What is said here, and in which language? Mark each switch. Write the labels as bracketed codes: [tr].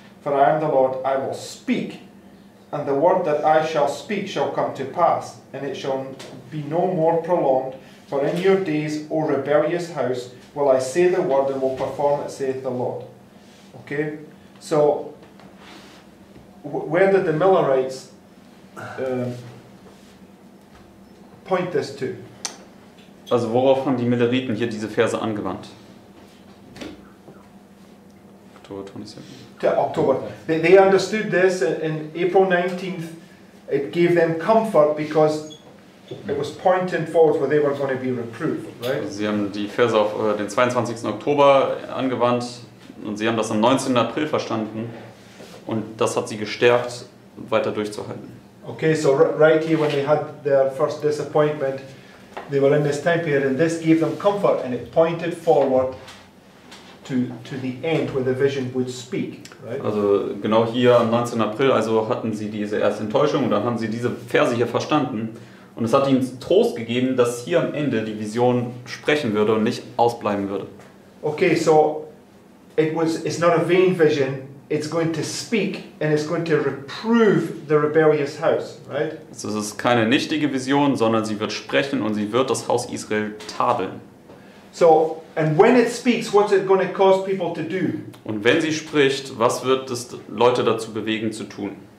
[en] For I am the Lord, I will speak, and the word that I shall speak shall come to pass, and it shall be no more prolonged. For in your days, O rebellious house, will I say the word and will perform it, saith the Lord. Okay? So, where did the Millerites point this to? [de] Also worauf haben die Milleriten hier diese Verse angewandt? Oktober 27. [en] To October. They understood this in April 19th. It gave them comfort because it was pointing forward where they were going to be reproved, right? [de] Also sie haben die Verse auf den 22. Oktober angewandt und sie haben das am 19. April verstanden und das hat sie gestärkt, weiter durchzuhalten. [en] Okay, so right here when they had their first disappointment, they were in this time period, and this gave them comfort, and it pointed forward to the end where the vision would speak. Right? [de] Also genau hier am 19. April, also hatten sie diese erste Enttäuschung, und dann haben sie diese Verse hier verstanden, und es hat ihnen Trost gegeben, dass hier am Ende die Vision sprechen würde und nicht ausbleiben würde. [en] Okay, so it's not a vain vision. It's going to speak and it's going to reprove the rebellious house, right? [de] Das ist keine nichtige Vision, sondern sie wird sprechen und sie wird das Haus Israel tadeln. [en] So, and when it speaks, what's it going to cause people to do? [de] Und wenn sie spricht, was wird es Leute dazu bewegen zu tun?